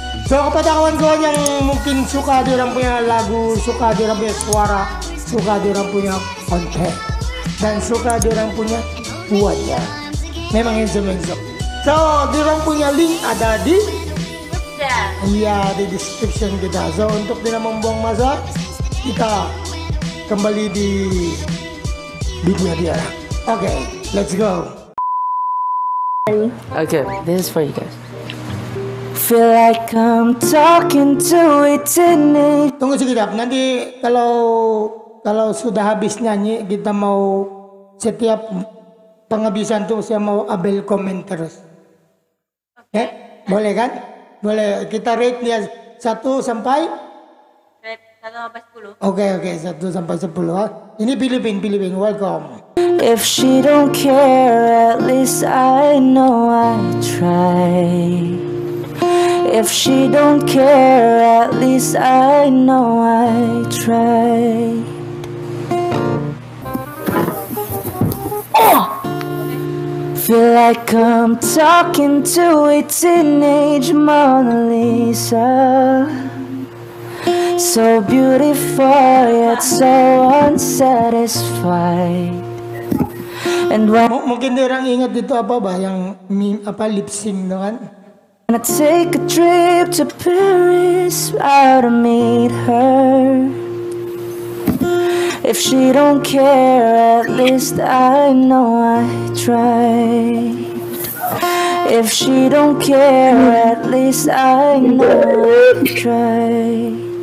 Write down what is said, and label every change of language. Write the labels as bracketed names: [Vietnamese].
[Malay] So kepada kawan-kawan yang mungkin suka diorang punya lagu, suka diorang punya suara, suka diorang punya konten, dan suka diorang punya buatnya, memang handsome-handsome. So diorang punya link ada di? Iya, di description kita. So untuk tidak membuang masa, kita kembali di video dia. [English] Okay, let's go. Okay, this is for you guys. Feel like I'm talking to eternity. [Malay] Tunggu sekejap, nanti kalau sudah habis nyanyi, kita mau setiap penghabisan tuh saya mau Abel komen terus. Okay. Eh, boleh kan? Boleh, kita rate dia 1 sampai? Rate 1 sampai 10. Okay, 1 sampai 10. Ha? Ini Filipin, welcome. [English] If she don't care, at least I know I try. If she don't care, at least I know I try. Feel like I'm talking to a teenage Mona Lisa. So beautiful yet so unsatisfied. And when [Malay] mungkin orang ingat itu apa bah yang meme, apa lip sync tu kan? [English] And I take a trip to Paris to meet her. If she don't care, at least I know I tried. If she don't care, at least I know I tried.